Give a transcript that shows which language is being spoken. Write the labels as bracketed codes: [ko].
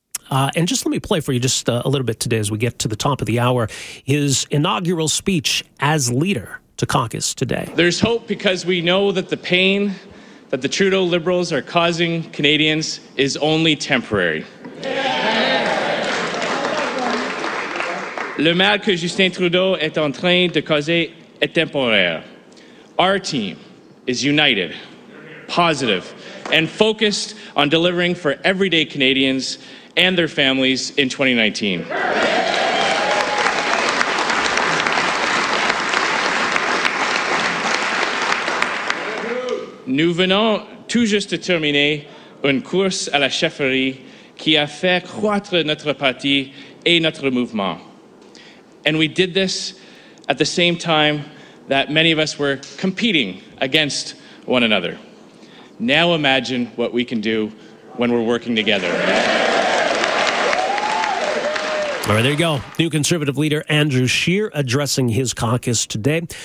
[en] And just let me play for you just a little bit today as we get to the top of the hour, his inaugural speech as leader to caucus today. There's hope because we know that the pain that the Trudeau Liberals are causing Canadians is only temporary. [fr] Le mal que Justin Trudeau est en train de causer est temporaire. [en] Our team is united, positive, and focused on delivering for everyday Canadians and their families in 2019. [fr] Nous venons tout juste de terminer une course à la chefferie qui a fait croître notre parti et notre mouvement. [en] And we did this at the same time that many of us were competing against one another. Now imagine what we can do when we're working together. All right, there you go. New Conservative leader Andrew Scheer addressing his caucus today.